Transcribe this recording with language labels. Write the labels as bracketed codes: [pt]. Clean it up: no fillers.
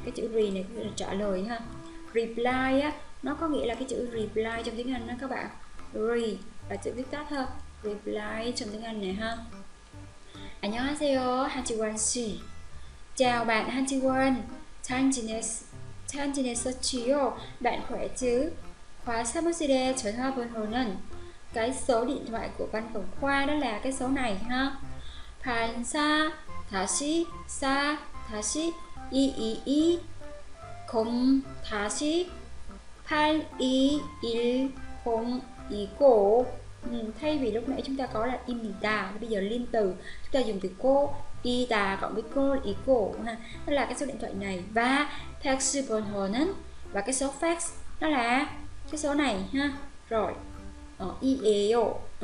[vi] Cái chữ re này là trả lời ha. Reply á, nó có nghĩa là cái chữ reply trong tiếng Anh đó các bạn. Re là chữ viết tắt ha. Reply trong tiếng Anh này ha. [ko] 안녕하세요, 한지원 씨. [vi] Chào bạn 한지원. [ko] 잘 지냈었지요? [vi] Bạn khỏe chứ? [ko] 과 사무실에 전화번호는? [vi] Cái số điện thoại của văn phòng khoa đó là cái số này ha. [ko] 반사 다시 사 다시 222 0 다시 8210이고. [vi] Thay vì lúc nãy chúng ta có là 입니다, bây giờ liên từ chúng ta dùng từ 고, 이다 cộng với 고, 이고 ha. Đó là cái số điện thoại này, và [ko] 팩스 번호는, [vi] và cái số fax đó là cái số này ha. Rồi. 이에요.